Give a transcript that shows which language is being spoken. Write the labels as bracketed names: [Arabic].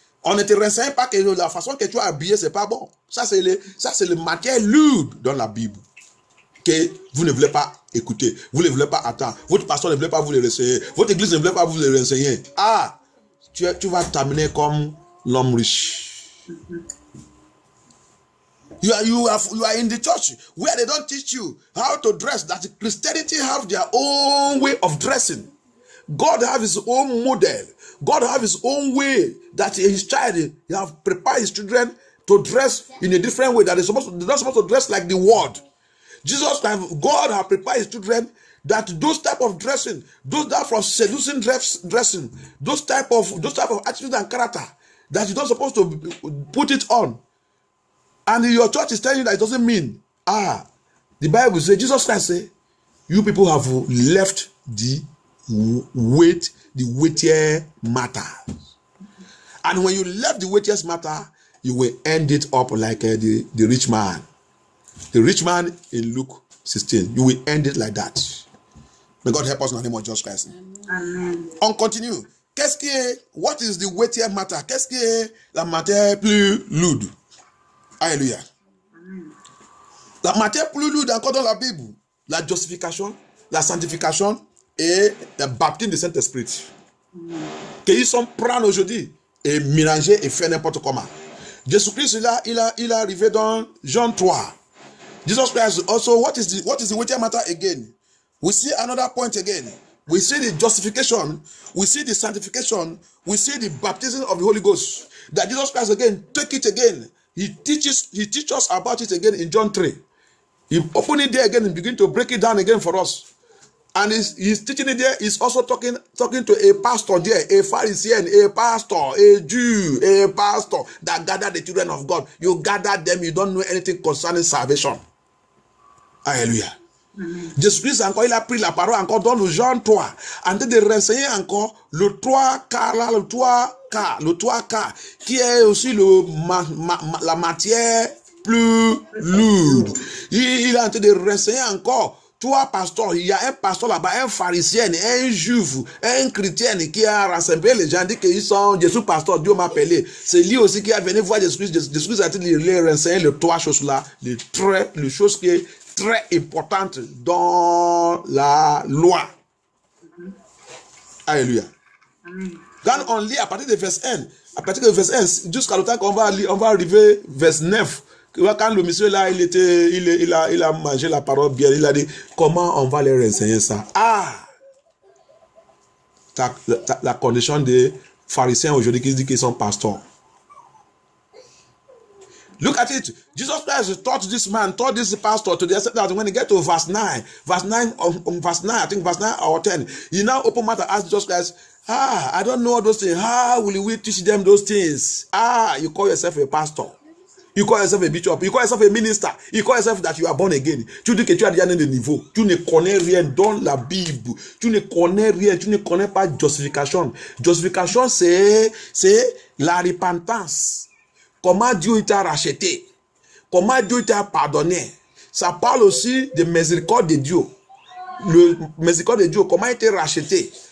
[French] On ne te renseigne pas que la façon que tu as habillé, ce n'est pas bon. Ça, c'est le matière lourde dans la Bible. Que vous ne voulez pas écouter, vous ne voulez pas attendre, votre pasteur ne voulait pas vous le renseigner, votre église ne voulait pas vous le renseigner. Ah, tu vas terminer comme l'homme riche. [English] You are in the church where they don't teach you how to dress. That Christianity have their own way of dressing. God have his own model. God have his own way that his child, he have prepared his children to dress in a different way, that they're not supposed to dress like the world. Jesus, God has prepared his children that those type of dressing, those type of seducing dressing, those type of attitude and character that you're not supposed to put it on. And your church is telling you that it doesn't mean, the Bible says, Jesus Christ say, you people have left the weightier matter. And when you left the weightiest matter, you will end it up like the rich man. The rich man in Luke 16. You will end it like that. May God help us in the name of Jesus Christ. Amen. [French] On continue. [English] What is the weightier matter? [French] Qu'est-ce qui est la matière plus lourde? Alléluia. La matière plus lourde, encore dans la Bible, la justification, la sanctification et le baptême du Saint-Esprit. Qu'ils sont prêts aujourd'hui et mélangés et faire n'importe comment. Jésus-Christ, il est arrivé dans Jean 3. [English] Jesus Christ also, what is the weightier matter again? We see another point again. We see the justification. We see the sanctification. We see the baptism of the Holy Ghost. That Jesus Christ again, take it again. He teaches about it again in John 3. He opened it there again and begin to break it down again for us. And he's teaching it there. He's also talking to a pastor there, a Pharisee, a pastor, a Jew, a pastor that gathered the children of God. You gather them, you don't know anything concerning salvation. [French] Alléluia. Jésus Christ encore, il a pris la parole encore dans le Jean 3. En train de renseigner encore le 3-4 là, le 3-4 qui est aussi la matière plus lourde. Il est en train de renseigner encore. Toi, pasteur, il y a un pasteur là-bas, un pharisien, un juif, un chrétien qui a rassemblé les gens, dit qu'ils sont Jésus pasteur, Dieu m'a appelé. C'est lui aussi qui a venu voir Jésus-Christ. Jésus-Christ a dit de lui renseigner les trois choses là, les choses qui sont très importantes dans la loi. Alléluia. Amen. Quand on lit à partir de verset 1, à partir de verset 1, jusqu'à le temps qu'on va lire, on va arriver verset 9. Quand le monsieur là, il a mangé la parole bien, il a dit, comment on va leur enseigner ça? Ah! La condition des pharisiens aujourd'hui qui disent qu'ils sont pasteurs. [English] Look at it. Jesus Christ taught this man, taught this pastor to the extent that when he get to verse 9 or 10, he now open mouth and ask Jesus Christ, I don't know those things. How will we teach them those things? You call yourself a pastor. You call yourself a bishop. You call yourself a minister. You call yourself that you are born again. [French] Tu dis que tu as déjà né de niveau. Tu ne connais rien dans la Bible. Tu ne connais rien. Tu ne connais pas justification. Justification, c'est la repentance. Comment Dieu t'a racheté? Comment Dieu t'a pardonné? Ça parle aussi de miséricorde de Dieu. Le miséricorde de Dieu, comment il t'a racheté?